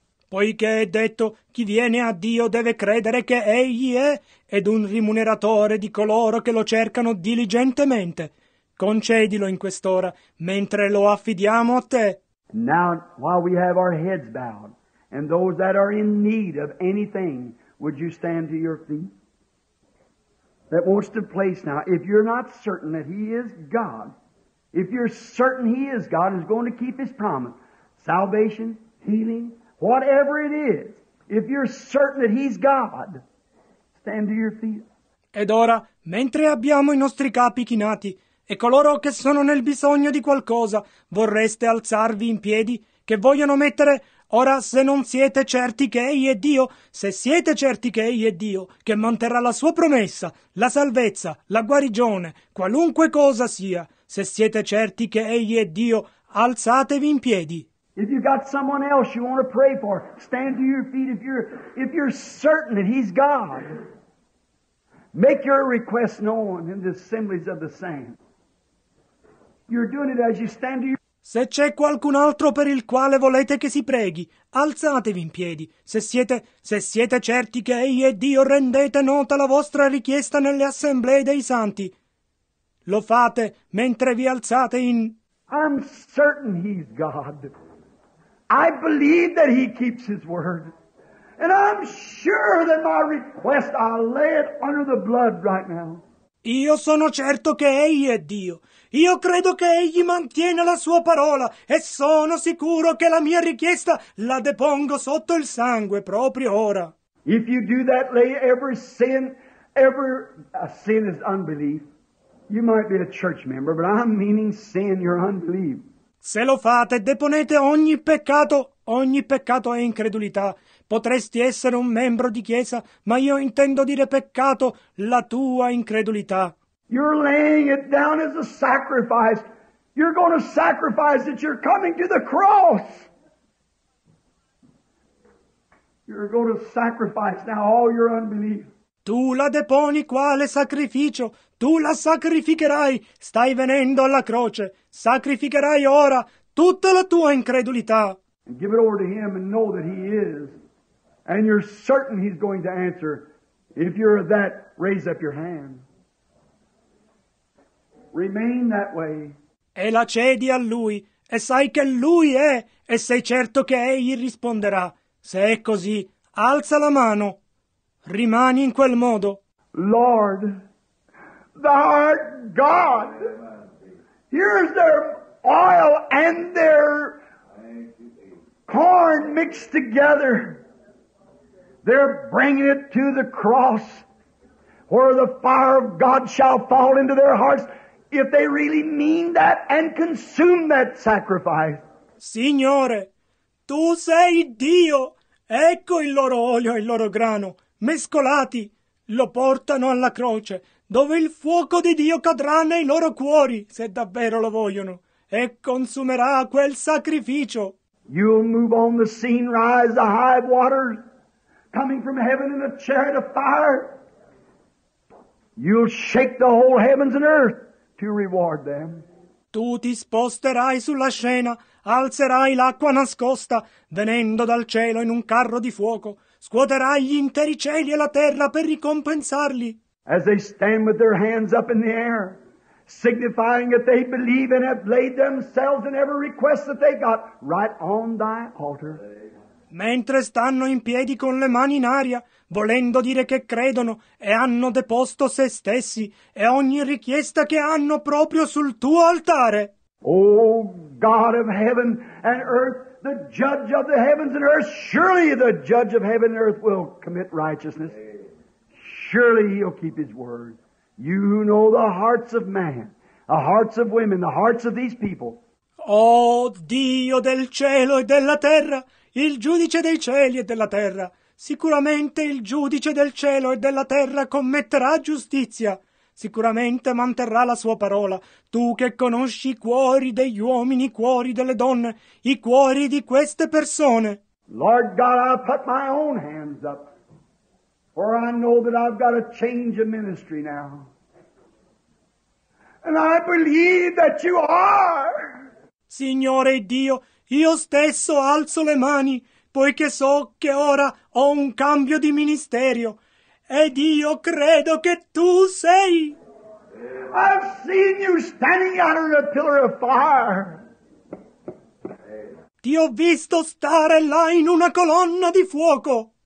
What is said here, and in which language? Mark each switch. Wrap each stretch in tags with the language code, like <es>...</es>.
<it>Poiché è detto, chi viene a Dio deve credere che egli è, ed un rimuneratore di coloro che lo cercano diligentemente. Concedilo in quest'ora, mentre lo affidiamo a te.</it> <en>Now, while we have our heads bowed, and those that are in need of anything, would you stand to your feet? That wants to place now, if you're not certain that he is God, if you're certain he is God and is going to keep his promise, salvation, healing, whatever it is, if you're certain that he's God, stand to your feet.</en> <it>Ed ora, mentre abbiamo i nostri capi chinati e coloro che sono nel bisogno di qualcosa, vorreste alzarvi in piedi che vogliono mettere... Ora, se non siete certi che Egli è Dio, se siete certi che Egli è Dio, che manterrà la sua promessa, la salvezza, la guarigione, qualunque cosa sia, se siete certi che Egli è Dio, alzatevi in piedi.</it> <en>If you've got someone else you want to pray for, stand to your feet if you're certain that He's God. Make your request known in the assemblies of the saints. You're doing it as you stand to your...</en> <it>Se c'è qualcun altro per il quale volete che si preghi, alzatevi in piedi. Se siete certi che Egli è Dio, rendete nota la vostra richiesta nelle assemblee dei santi. Lo fate mentre vi alzate in...</it> <en>I'm certain he's God. I believe that he keeps his word. And I'm sure that my request, I'll lay it under the blood right now.</en> <it>Io sono certo che Egli è Dio. Io credo che Egli mantiene la sua parola e sono sicuro che la mia richiesta la depongo sotto il sangue proprio ora.</it> <en>If you do that, lay every sin is unbelief. You might be a church member, but I'm meaning sin, your unbelief.</en> <it>Se lo fate, deponete ogni peccato è incredulità. Potresti essere un membro di chiesa, ma io intendo dire peccato, la tua incredulità.</it> <en>You're laying it down as a sacrifice. You're going to sacrifice it. You're coming to the cross. You're going to sacrifice now all your unbelief.</en> <it>Tu la deponi quale sacrificio? Tu la sacrificherai. Stai venendo alla croce. Sacrificherai ora tutta la tua incredulità.</it> <en>And give it over to him and know that he is. And you're certain he's going to answer. If you're that, raise up your hand. Remain that way.</en> <it>E la cedi a lui, e sai che lui è, e sei certo che egli risponderà. Se è così, alza la mano. Rimani in quel modo.</it> <en>Lord, thou art God. Here's their oil and their corn mixed together. They're bringing it to the cross, where the fire of God shall fall into their hearts. If they really mean that and consume that sacrifice.</en> <it>Signore, tu sei Dio. Ecco il loro olio e il loro grano, mescolati, lo portano alla croce, dove il fuoco di Dio cadrà nei loro cuori, se davvero lo vogliono, e consumerà quel sacrificio.</it> <en>You'll move on the scene, rise the high waters, coming from heaven in a chariot of fire. You'll shake the whole heavens and earth. Reward them.</en> <it>Tu ti sposterai sulla scena, alzerai l'acqua nascosta, venendo dal cielo in un carro di fuoco, scuoterai gli interi cieli e la terra per ricompensarli.</it> <en>as they stand with their hands up in the air, signifying that they believe and have laid themselves in every request that they got right on thy altar.</en> <it>Mentre stanno in piedi con le mani in aria, volendo dire che credono e hanno deposto se stessi e ogni richiesta che hanno proprio sul tuo altare.</it> <en>Oh God of heaven and earth, the judge of the heavens and earth, surely the judge of heaven and earth will commit righteousness. Surely he'll keep his word. You who know the hearts of man, the hearts of women, the hearts of these people.</en> <it>Oh Dio del cielo e della terra, il giudice dei cieli e della terra, sicuramente il giudice del cielo e della terra commetterà giustizia. Sicuramente manterrà la sua parola, tu che conosci i cuori degli uomini, i cuori delle donne, i cuori di queste persone.</it> <en>Lord God, I put my own hands up, for I know that I've got a change of ministry now. And I believe that you are.</en> <it>Signore Dio, io stesso alzo le mani, poiché so che ora ho un cambio di ministerio. Ed io credo che tu sei.</it> <en>I've seen you standing out on a pillar of fire.</en> <it>Ti ho visto stare là in una colonna di fuoco.</it>